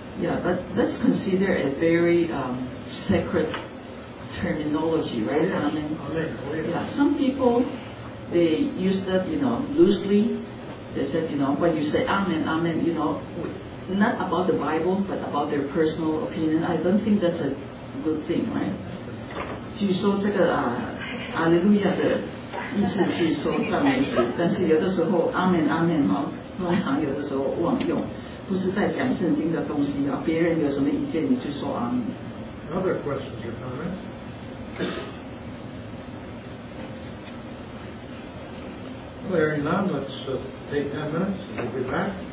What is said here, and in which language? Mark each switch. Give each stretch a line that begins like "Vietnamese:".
English: Yeah, but let's consider a very sacred terminology, right? Yes. Amen. Amen. Oh, yes. Yeah, some people, they use that, you know, loosely. They said, you know, when you say Amen, Amen, you know, not about the Bible, but about their personal opinion. I don't think that's a good thing, right?
Chinese: 据说这个阿利路亚的意思据说赞美主，但是有的时候阿门阿门哈，通常有的时候妄用，不是在讲圣经的东西啊。别人有什么意见，你就说阿门。
English: Other questions or comments? Larry, now let's take 10 minutes and we'll be back.